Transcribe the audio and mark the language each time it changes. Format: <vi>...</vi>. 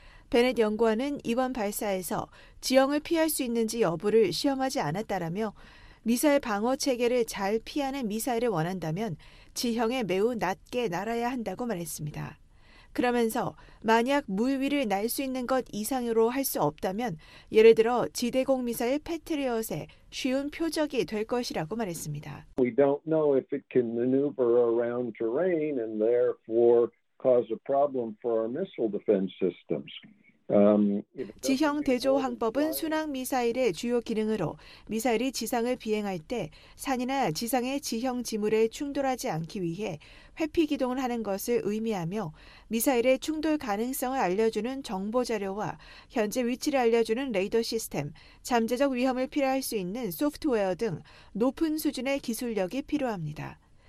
<ko>베넷 연구원은 이번 발사에서 지형을 피할 수 있는지 여부를 시험하지 않았다라며 미사일 방어 체계를 잘 피하는 미사일을 원한다면 지형에 매우 낮게 날아야 한다고 말했습니다. 그러면서 만약 물위를 날 수 있는 것 이상으로 할 수 없다면 예를 들어 지대공 미사일 패트리엇의 쉬운 표적이 될 것이라고 말했습니다.</ko> <en>We don't know if it can maneuver around terrain and therefore cause a problem for our missile defense systems.</en> <ko>지형 대조항법은 순항 미사일의 주요 기능으로 미사일이 지상을 비행할 때 산이나 지상의 지형 지물에 충돌하지 않기 위해 회피 기동을 하는 것을 의미하며 미사일의 충돌 가능성을 알려주는 정보 자료와 현재 위치를 알려주는 레이더 시스템, 잠재적 위험을 피할 수 있는 소프트웨어 등 높은 수준의 기술력이 필요합니다.</ko>